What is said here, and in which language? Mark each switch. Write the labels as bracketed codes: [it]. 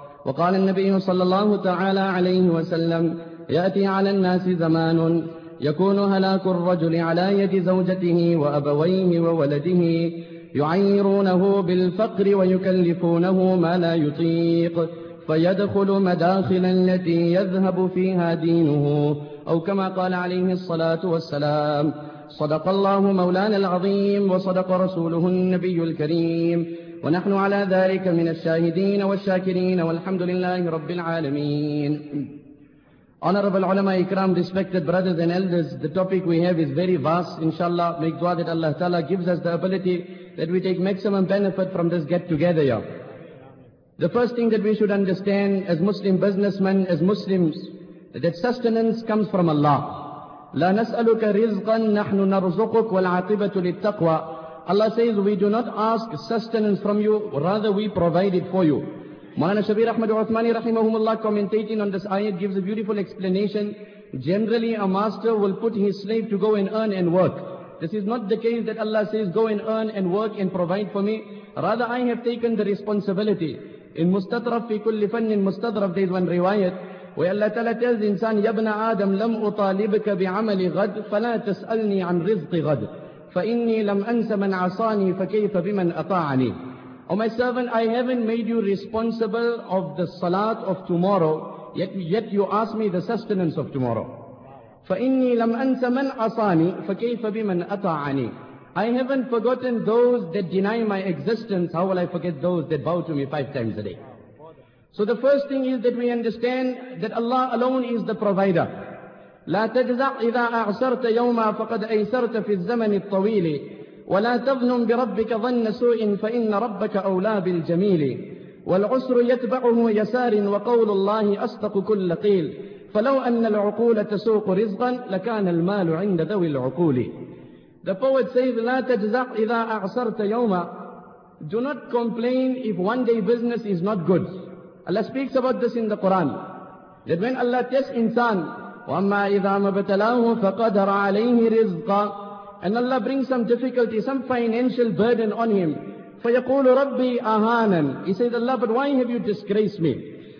[ar] وقال النبي صلى الله تعالى عليه وسلم: يأتي على الناس زمان يكون هلاك الرجل على يد زوجته وأبويه وولده، يعيرونه بالفقر ويكلفونه ما لا يطيق، فيدخل مداخل التي يذهب فيها دينه، أو كما قال عليه الصلاة والسلام. صدق الله مولانا العظيم وصدق رسوله النبي الكريم، ونحن على ذلك من الشاهدين والشاكرين، والحمد لله رب العالمين. [en] Honorable ulama ikram, respected brothers and elders, the topic we have is very vast. Inshallah, make dua that Allah Ta'ala gives us the ability that we take maximum benefit from this get together. The first thing that we should understand as Muslim businessmen, as Muslims, that sustenance comes from Allah. [ar] لا نسألك رزقا نحن نرزقك والعاقبة للتقوى. [en] Allah says we do not ask sustenance from you, rather we provide it for you. Mawlana Shabir Ahmad Uthmani rahimahumullah, commentating on this ayat, gives a beautiful explanation. Generally a master will put his slave to go and earn and work. This is not the case that Allah says go and earn and work and provide for me. Rather I have taken the responsibility. In Mustadraf fi kulli fannin mustadraf, there is one riwayat where Allah Ta'ala tells insan, [ar] يَبْنَ آدَمْ لَمْ أُطَالِبْكَ بِعَمَلِ غَدْ فَلَا تَسْأَلْنِي عَنْ رِزْقِ غَدْ فَإِنِّي لَمْ أَنْسَ مَنْ عَصَانِي فَكَيْفَ بِمَنْ أَطَاعَنِي. [en] O my servant, I haven't made you responsible of the salat of tomorrow, yet you ask me the sustenance of tomorrow. [ar] فَإِنِّي لَمْ أَنْسَ مَنْ عَصَانِي فَكَيْفَ بِمَنْ أَطَاعَنِي. [en] I haven't forgotten those that deny my existence, how will I forget those that bow to me 5 times a day? So the first thing is that we understand that Allah alone is the provider. [ar] لا تجزع إذا أعسرت يوما فقد أيسرت في الزمن الطويل ولا تظنن بربك ظن سوء فإن ربك أولى بالجميل والعسر يتبعه يسار وقول الله أصدق كل قيل فلو أن العقول تسوق رزقا لكان المال عند ذوي العقول. [en] The poet says, [ar] لا تجزع إذا أعسرت يوما. [en] Do not complain if one day business is not good. Allah speaks about this in the Quran, that when Allah tests insan, [ar] وَأَمَّا إِذَا مَبْتَلَاهُ فَقَدَرَ عَلَيْهِ رِزْقًا, [en] and Allah brings some difficulty, some financial burden on him, [ar] فَيَقُولُ رَبِّي أَهَانًا, [en] he says, Allah, but why have you disgraced me?